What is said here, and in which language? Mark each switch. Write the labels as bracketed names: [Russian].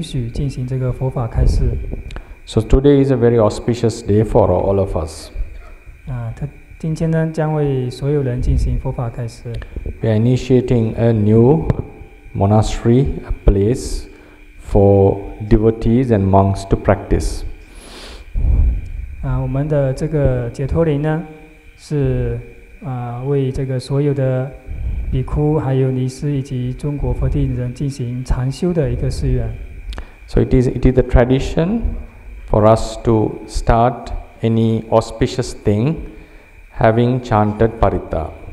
[Chinese] 现在尊者说，请尊者给我这个允许进行这个佛法开示。 [English] So today is a very auspicious day for all of us. [Chinese] 今天呢，将为所有人进行佛法开示。 [English] We are initiating a new monastery, a place for devotees and monks to practice. [Chinese] 我们的这个解脱林呢，是为这个所有的比丘、还有尼斯以及中国佛弟人进行禅修的一个寺院。 [English] So it is a tradition for us to start any auspicious thing having chanted Paritta.